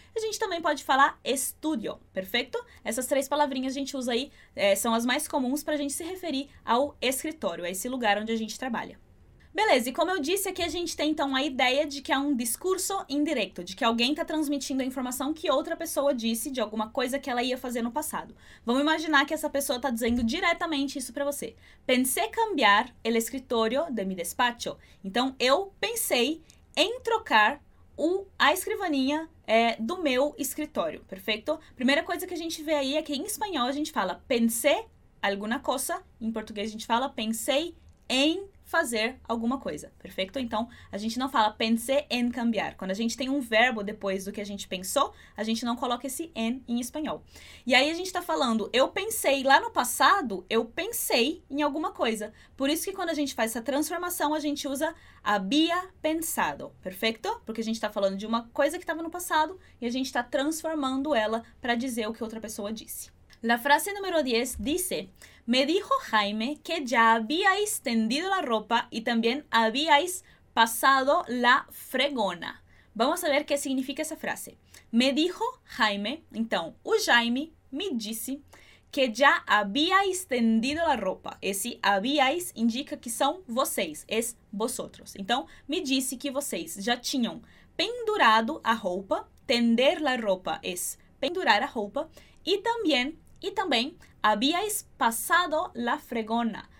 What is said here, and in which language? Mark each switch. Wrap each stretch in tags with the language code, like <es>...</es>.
<pt>A gente também pode falar estúdio, perfeito? Essas três palavrinhas a gente usa aí, são as mais comuns para a gente se referir ao escritório, a esse lugar onde a gente trabalha. Beleza, e como eu disse, aqui a gente tem então a ideia de que é um discurso indireto, de que alguém está transmitindo a informação que outra pessoa disse de alguma coisa que ela ia fazer no passado. Vamos imaginar que essa pessoa está dizendo diretamente isso para você.</pt> <es>Pensé cambiar el escritorio de mi despacho.</es> <pt>Então, eu pensei em trocar a escrivaninha do meu escritório, perfeito? Primeira coisa que a gente vê aí é que em espanhol a gente fala pensé alguna cosa, em português a gente fala pensei em fazer alguma coisa, perfeito? Então, a gente não fala pensé en cambiar. Quando a gente tem um verbo depois do que a gente pensou, a gente não coloca esse en em espanhol. E aí a gente tá falando, eu pensei lá no passado, eu pensei em alguma coisa. Por isso que quando a gente faz essa transformação, a gente usa había pensado, perfeito? Porque a gente tá falando de uma coisa que estava no passado e a gente tá transformando ela para dizer o que outra pessoa disse.</pt> <es>La frase número 10 dice, me dijo Jaime que ya habíais tendido la ropa y también habíais pasado la fregona. Vamos a ver qué significa esa frase. Me dijo Jaime,</es> <pt>então, o Jaime me disse que</pt> <es>ya habíais tendido la ropa.</es> <pt>Esse habíais indica que são vocês,</pt> <es>es vosotros.</es> <pt>Então, me disse que vocês já tinham pendurado a roupa,</pt> <es>tender la ropa</es> <pt>es pendurar a roupa, e também,</pt> <es>habíais passado la fregona.</es>